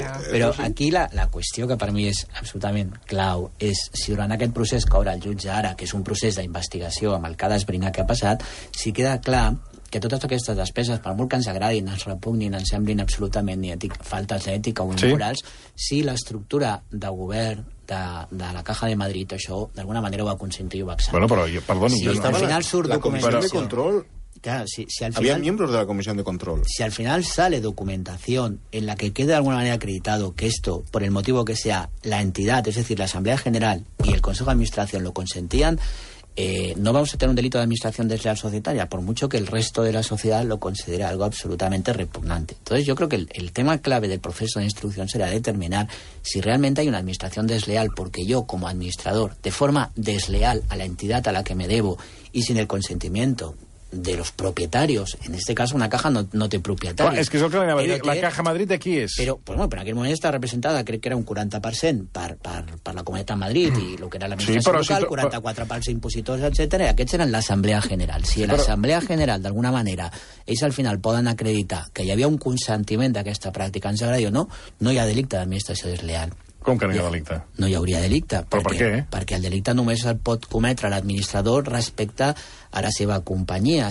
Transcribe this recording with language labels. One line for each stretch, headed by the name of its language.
Catalan: Però aquí la qüestió que per mi és absolutament clau és si durant aquest procés que obre el jutge ara, que és un procés d'investigació amb el que ha d'esbrinar què ha passat, si queda clar que totes aquestes despeses, per molt que ens agradin, ens repugnin, ens semblin absolutament ni ètic, faltes d'ètica o immorals, sí. Si l'estructura de govern de la Caja de Madrid, això, d'alguna manera ho va consentir i ho va acceptar. Bueno, però, perdoni, si al final surt documentació... La Comissió de Control... Clar, si al final... Havia membres de la Comissió de Control.
Spanish: Si al final sale documentació en la que queda
Catalan: d'alguna manera
Spanish: acreditado que esto, por el motivo que sea, la entidad, es decir, la Asamblea General y el Consejo de Administración lo consentían... no vamos a tener un delito de administración desleal societaria, por mucho que el resto de la sociedad lo considere algo absolutamente repugnante. Entonces yo creo que el tema clave del proceso de instrucción será determinar si realmente hay una administración desleal, porque yo como administrador, de forma desleal a la entidad a la que me debo y sin el consentimiento de los propietarios, en este caso una caja
Catalan: no te propietaria.
Spanish: Es que eso que la Caja Madrid de aquí es. Pero pues bueno, pero aquel momento está representada, creo que era un 40% para la Comunidad de Madrid y lo que era la administración local, 44% para impositors, etcétera, y
Catalan: aquests
Spanish: eran la Asamblea General.
Catalan: Si la Asamblea General, de alguna manera, ells al final poden acreditar que hi havia un consentiment d'aquesta pràctica en sagrada o no, no hi ha delicte d'administració desleal. Com que no hi ha delicte? No hi hauria delicte. Però per què? Perquè el delicte només el pot cometre l'administrador respecte a la seva companyia.